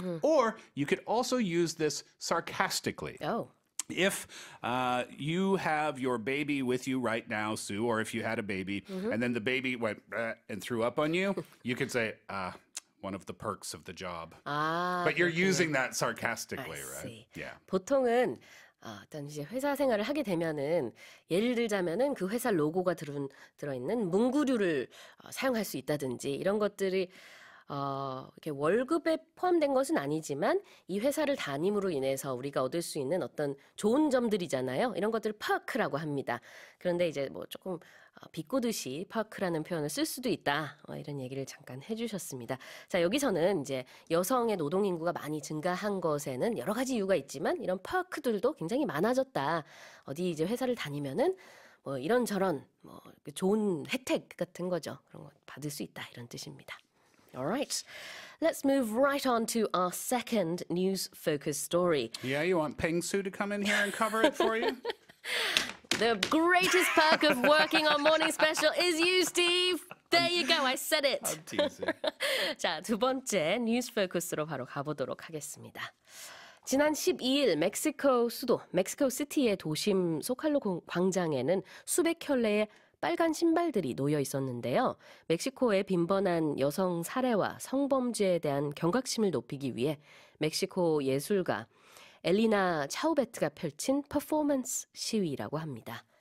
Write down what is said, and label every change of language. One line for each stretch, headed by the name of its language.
English: Or you could also use this sarcastically. Oh. If you have your baby with you right now, Sue, or if you had a baby, and then the baby went and threw up on you, you could say, one of the perks of the job. But you're using that sarcastically, right? Yeah.
Korean: 보통은 어떤 이제 회사 생활을 하게 되면은 예를 들자면은 그 회사 로고가 들어있는 문구류를 사용할 수 있다든지 이런 것들이 이렇게 월급에 포함된 것은 아니지만 이 회사를 담임으로 인해서 우리가 얻을 수 있는 어떤 좋은 점들이잖아요. 이런 것들을 퍼크라고 합니다. 그런데 이제 뭐 조금 비꼬듯이 퍼크라는 표현을 쓸 수도 있다. 이런 얘기를 잠깐 해주셨습니다. 자, 여기서는 이제 여성의 노동 인구가 많이 증가한 것에는 여러 가지 이유가 있지만 이런 퍼크들도 굉장히 많아졌다. 어디 이제 회사를 다니면은 뭐 이런저런 뭐 좋은 혜택 같은 거죠. 그런 거 받을 수 있다. 이런 뜻입니다.
English: Alright, let's move right on to our second news-focused story. Yeah, you want Peng Su to come in here and cover it for you? The greatest perk of working on Morning Special is you, Steve. There you go, I said it. I'm teasing.
Korean: 자, 두 번째 뉴스포커스로 바로 가보도록 하겠습니다. 지난 12일 멕시코 수도, 멕시코 시티의 도심 소칼로 광장에는 수백 켤레의 빨간 신발들이 놓여 있었는데요. 멕시코의 빈번한 여성 살해와 성범죄에 대한 경각심을 높이기 위해 멕시코 예술가 엘리나 차우베트가 펼친 퍼포먼스 시위라고 합니다.